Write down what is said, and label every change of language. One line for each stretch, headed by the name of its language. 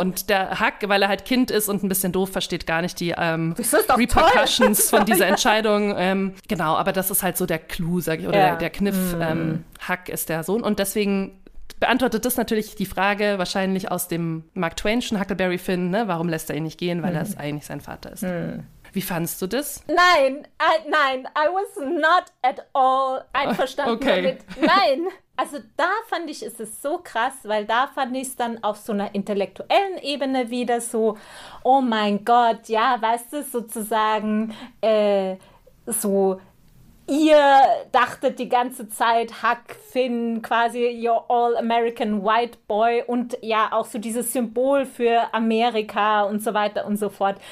German: Und der Huck, weil er halt Kind ist und ein bisschen doof, versteht gar nicht die Repercussions von dieser Entscheidung. Genau, aber das ist halt so der Clou, sag ich, oder der Kniff. Huck ist der Sohn und deswegen... Beantwortet das natürlich die Frage wahrscheinlich aus dem Mark Twain'schen Huckleberry Finn, ne? Warum lässt er ihn nicht gehen, weil er eigentlich sein Vater ist. Wie fandst du das?
English: Nein, I was not at all
German: einverstanden damit. Nein, also da fand ich, ist es so krass, weil da fand ich es dann auf so einer intellektuellen Ebene wieder so, oh mein Gott, ja, weißt du, sozusagen so... Ihr dachtet die ganze Zeit, Huck Finn, quasi
English: your all-American white boy
German: und ja, auch so dieses Symbol für Amerika und so weiter und so fort.